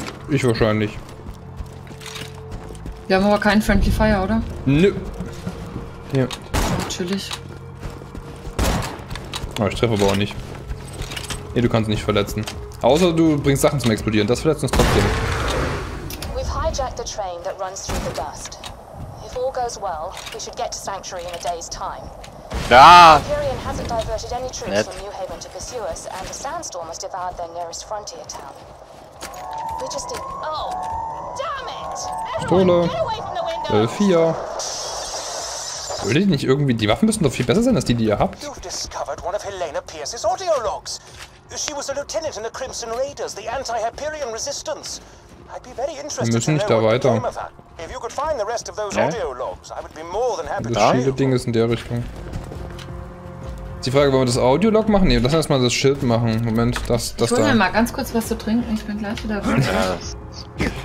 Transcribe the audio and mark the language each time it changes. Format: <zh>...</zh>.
<de>Ich wahrscheinlich. Wir haben aber keinen Friendly Fire, oder? Nö. Hier. Natürlich. Oh, ich treffe aber auch nicht. Nee, du kannst nicht verletzen. Außer du bringst Sachen zum Explodieren. Das verletzt uns trotzdem.</de> <en>The train that runs through the dust. If all goes well, we should get to Sanctuary in a day's time. Hyperion hasn't diverted any troops from New Haven to pursue us, and a sandstorm has devoured their nearest frontier town. We just did. Oh, damn it!</en> <de>Pistole. Vier. Würde ich nicht irgendwie. Die Waffen müssen doch viel besser sein als die, die ihr habt.</de> <en>You've discovered one of Helena Pierce's audio logs. She was a lieutenant in the Crimson Raiders, the anti-Hyperion resistance.</en> <de>Wir müssen nicht da weiter. Das Shield-Ding ist in der Richtung. Ist die Frage, wollen wir das Audio-Log machen? Ne, lass erstmal das Schild machen. Moment, das da. Ich hol mir mal ganz kurz was zu trinken, ich bin gleich wieder weg. Ja,</de>